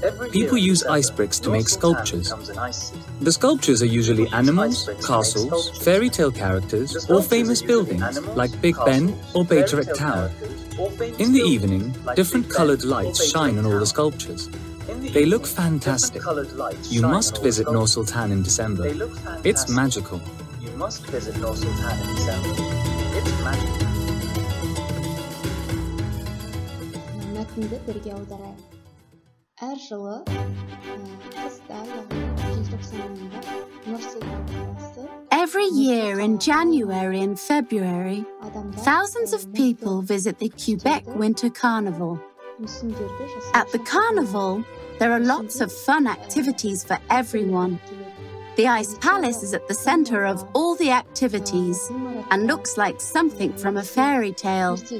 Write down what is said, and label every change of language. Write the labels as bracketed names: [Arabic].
[English] People use ice bricks to make sculptures. The sculptures are usually animals, castles, fairy tale characters, or famous buildings like Big Ben or Beytirek Tower. In the evening, different colored lights shine on all the sculptures. They look fantastic. You must visit Nur Sultan in December. It's magical. You must visit Nur Sultan in December. It's magical. [Kazakh] Мәтінді бірге аударайық. Әр жылы қыста, желтоқсанында Нұр Сұлтан қаласы. [English] Every year in January and February, thousands of people visit the Quebec Winter Carnival. At the carnival, there are lots of fun activities for everyone. The Ice Palace is at the center of all the activities and looks like something from a fairy tale.